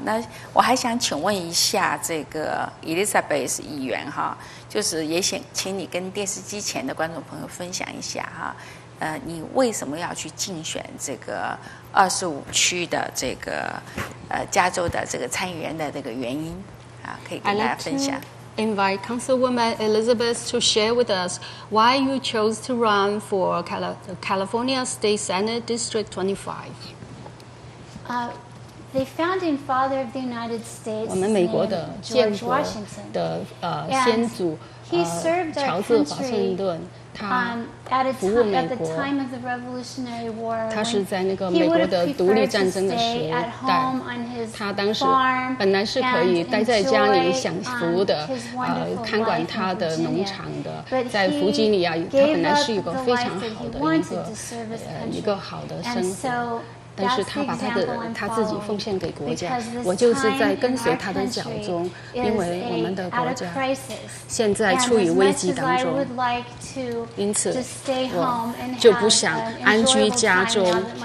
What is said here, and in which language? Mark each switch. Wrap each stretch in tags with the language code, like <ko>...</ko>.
<zh>那我还想请问一下这个 Elizabeth 议员哈，就是也想请你跟电视机前的观众朋友分享一下哈，你为什么要去竞选这个25区的这个加州的这个参议员的这个原因啊，可以跟大家分享。</zh> <en>Invite Councilwoman Elizabeth to share with us why you chose to run for California State Senate District 25. The founding father of the United States,</en> <zh>George Washington, 的先祖</zh> <en>He served our country. At a time, at the time of the Revolutionary War, when he would have preferred to stay at home on his farm and enjoy his wonderful life in Virginia. But he gave up his life that he wanted to serve his country.</en> <zh>但是他把他自己奉献给国家，我就是在跟随他的脚踪，因为我们的国家现在处于危机当中，因此我就不想安居家中。</zh>